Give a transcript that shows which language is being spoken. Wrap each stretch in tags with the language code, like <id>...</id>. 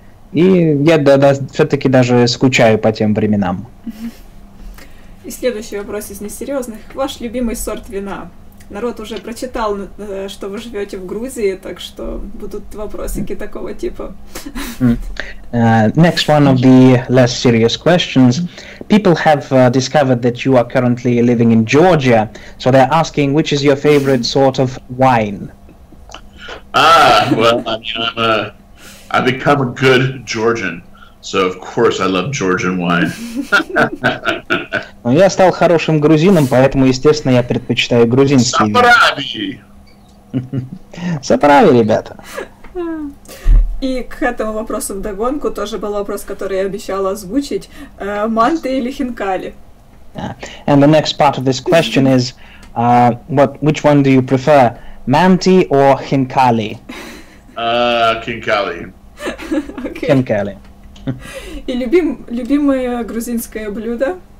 <ru>И я все-таки даже скучаю по тем временам. И следующий вопрос из несерьезных. Ваш любимый сорт вина? Народ уже прочитал, что вы живете в Грузии, так что будут вопросики такого типа.</ru> <en>Next one of the less serious questions. People have discovered that you are currently living in Georgia, so they're asking, which is your favorite sort of wine? Ah, well, I mean, I've become a good Georgian, so of course I love Georgian wine.</en> <ru>Ну, я стал хорошим грузином, поэтому, естественно, я предпочитаю грузинский. Саправи! Саправи, ребята! И к этому вопросу вдогонку тоже был вопрос, который я обещала озвучить. Манты или хинкали?</ru> <en>And the next part of this question is, which one do you prefer, manti or хинкали?</en> <ru>Хинкали. Хинкали. И любимое грузинское блюдо?</ru>